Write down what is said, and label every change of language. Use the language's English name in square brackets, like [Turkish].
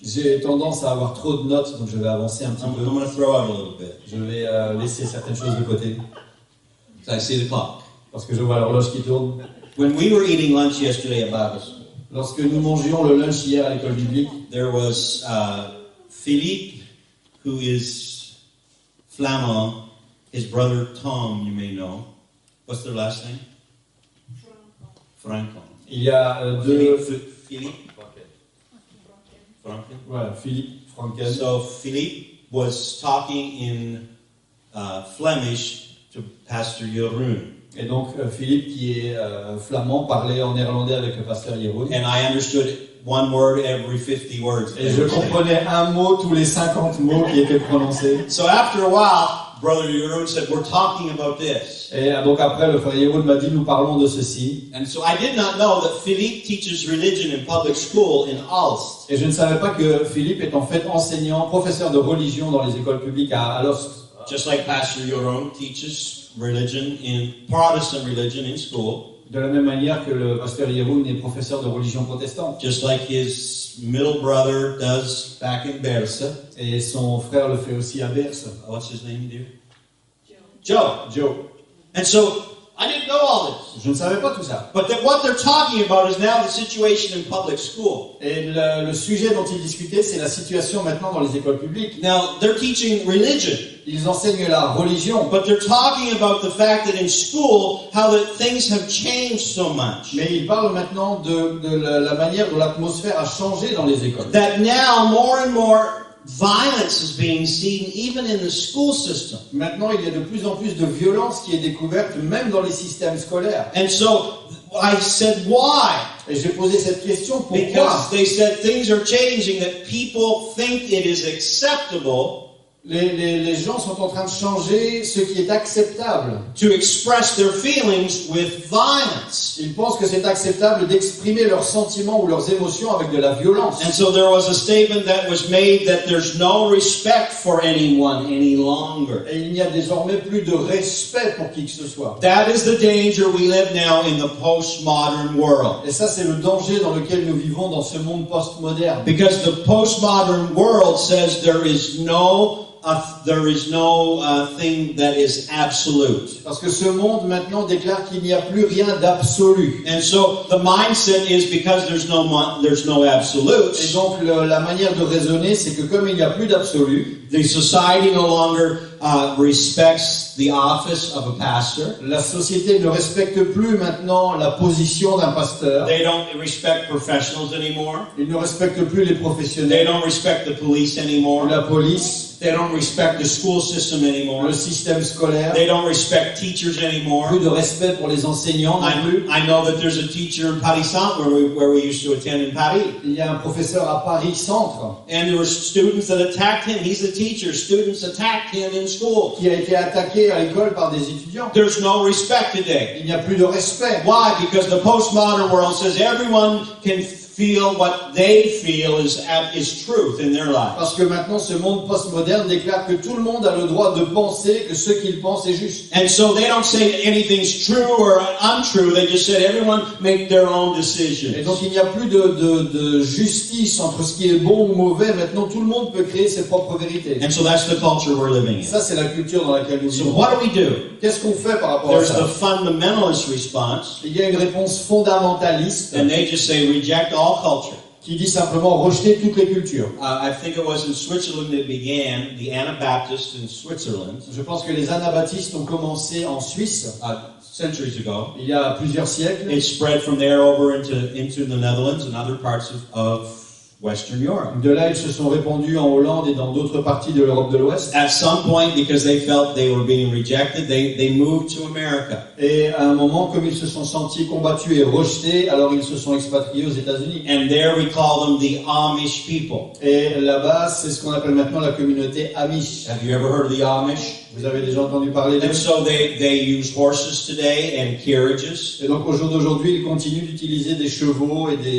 [French] J'ai tendance à avoir trop de notes, donc je vais avancer un petit peu. [English] I'm going to throw out a little bit. [French] Je vais laisser certaines choses de côté. [English] I see the clock. [French] Parce que je vois l'horloge qui tourne. [English] When we were eating lunch yesterday at Bible school, [French] lorsque nous mangeions le lunch hier à l'école biblique, [English] there was Philippe, who is Flamand. His brother Tom, you may know. What's their last name? Franklin. [French] Il y a deux. Philippe. Franklin. Voilà, Philippe Franklin. [English] So Philippe was talking in Flemish. To Pastor Jeroen. [French] Et donc Philippe qui est flamand parlait en néerlandais avec le pasteur Jeroen. [English] And I understood one word every 50 words. [French] Et je comprenais un mot tous les 50 mots qui étaient prononcés. [English] So after a while, Brother Jeroen said, "We're talking about this." [French] Et donc après le frère Jeroen m'a dit, nous parlons de ceci. [English] And so I did not know that Philippe teaches religion in public school in Alst. [French] Et je ne savais pas que Philippe est en fait enseignant, professeur de religion dans les écoles publiques à Alst. [English] Just like Pastor Jeroen teaches religion in Protestant religion in school. [French] De la même manière que le pasteur Jeroen est professeur de religion protestante. [English] Just like his middle brother does back in Berse. [French] Et son frère le fait aussi à Berse. [English] What's his name, dear? Joe. And so I didn't know all this. [French] Je ne savais pas tout ça. [English] But what they're talking about is now the situation in public school. [French] Et le sujet dont ils discutaient, c'est la situation maintenant dans les écoles publiques. [English] Now they're teaching religion. [French] Ils enseignent la religion. [English] But they're talking about the fact that in school, how that things have changed so much. [French] Mais ils parlent maintenant de la manière dont l'atmosphère a changé dans les écoles. [English] That now more and more violence is being seen even in the school system. [French] Maintenant, il y a de plus en plus de violence qui est découverte même dans les systèmes scolaires. [English] And so I said, why? [French] Et j'ai posé cette question, pourquoi? [English] Because they said things are changing that people think it is acceptable [French] Les gens sont en train de changer ce qui est acceptable. [English] To express their feelings with violence. [French] Ils pensent que c'est acceptable d'exprimer leurs sentiments ou leurs émotions avec de la violence. [English] And so there was a statement that was made that there's no respect for anyone any longer. [French] Et il n'y a désormais plus de respect pour qui que ce soit. [English] That is the danger we live now in the postmodern world. [French] Et ça c'est le danger dans lequel nous vivons dans ce monde postmoderne. [English] Because the postmodern world says there is no thing that is absolute. [French] Parce que ce monde maintenant déclare qu'il n'y a plus rien d'absolu. [English] And so the mindset is because there's no absolute. [French] Et donc la manière de raisonner c'est que comme il n'y a plus d'absolu, [English] the society no longer respects the office of a pastor. [French] La société ne respecte plus maintenant la position d'un pasteur. [English] They don't respect professionals anymore. [French] Ils ne respectent plus les professionnels. [English] They don't respect the police anymore. [French] La police. [English] They don't respect the school system anymore. [French] Le système scolaire. [English] They don't respect teachers anymore. [French] Plus de respect pour les enseignants. [English] I know that there's a teacher in Paris Centre where we used to attend in Paris. [French] Il y a un professeur à Paris Centre. [English] And there were students that attacked him. He's a teacher. Students attacked him in school. [French] Qui a été attaqué à l'école par des étudiants. [English] There's no respect today. [French] Il n'y a plus de respect. [English] Why? Because the postmodern world says everyone can feel what they feel is truth in their life. [French] Parce que maintenant ce monde postmoderne déclare que tout le monde a le droit de penser que ce qu'il pense est juste. [English] And so they don't say anything's true or untrue. They just said everyone make their own decisions. [French] Et donc il n'y a plus de justice entre ce qui est bon ou mauvais. Maintenant tout le monde peut créer ses propres vérités. [English] And so that's the culture we're living in. [French] Ça c'est la culture dans laquelle nous vivons. [English] So what do we do? [French] Qu'est-ce qu'on fait par rapport [English] There's [French] à ça? [English] There's the fundamentalist response. [French] Il y a une réponse fondamentaliste. [English] And they just say reject all culture. [French] Qui dit simplement rejeter toutes les cultures. [English] I think it was in Switzerland it began, the Anabaptists in Switzerland. [French] Je pense que les Anabaptistes ont commencé en Suisse. [English] Centuries ago. [French] Il y a plusieurs siècles. [English] It spread from there over into the Netherlands and other parts of Western Europe. [French] De là, ils se sont répandus en Hollande et dans d'autres parties de l'Europe de l'Ouest. [English] At some point, because they felt they were being rejected, they moved to America. [French] Et à un moment, comme ils se sont sentis combattus et rejetés, alors ils se sont expatriés aux États-Unis. [English] And there we call them the Amish people. [French] Et là-bas, c'est ce qu'on appelle maintenant la communauté Amish. [English] Have you ever heard of the Amish? [French] Vous avez déjà entendu parler d'eux? [English] And so they use horses today and carriages. [French] Et donc au jour d'aujourd'hui, ils continuent d'utiliser des chevaux et